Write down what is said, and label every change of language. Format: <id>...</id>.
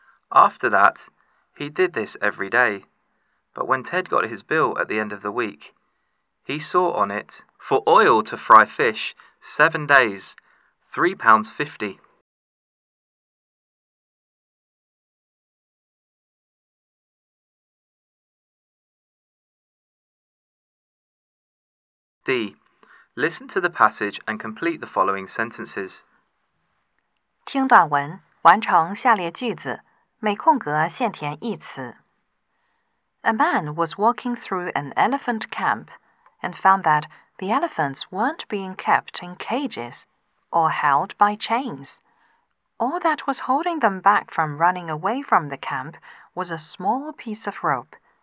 <en>After that, he did this every day. But when Ted got his bill at the end of the week, he saw on it, for oil to fry fish, 7 days, £3.50. D. Listen to the passage and complete the following sentences.</en> <zh>听短文，完成下列句子，每空格限填一词。</zh> <en>A man was walking through an elephant camp and found that the elephants weren't being kept in cages or held by chains. All that was holding them back from running away from the camp was a small piece of rope.</en>